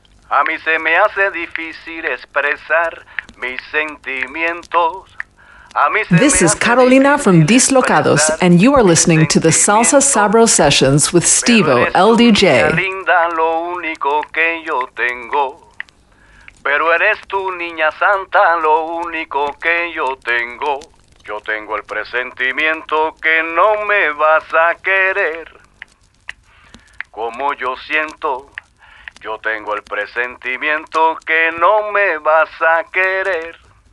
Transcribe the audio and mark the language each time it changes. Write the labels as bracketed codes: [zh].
[es] A mí se me hace difícil expresar mis sentimientos. [en] This is Carolina from Dislocados, and you are listening to the Salsa Sabro Sessions with Stevo, LDJ. [es] Linda, lo único que yo tengo. Pero eres tu niña santa, lo único que yo tengo. Yo tengo el presentimiento que no me vas a querer. Como yo siento, yo tengo el presentimiento que no me vas a querer.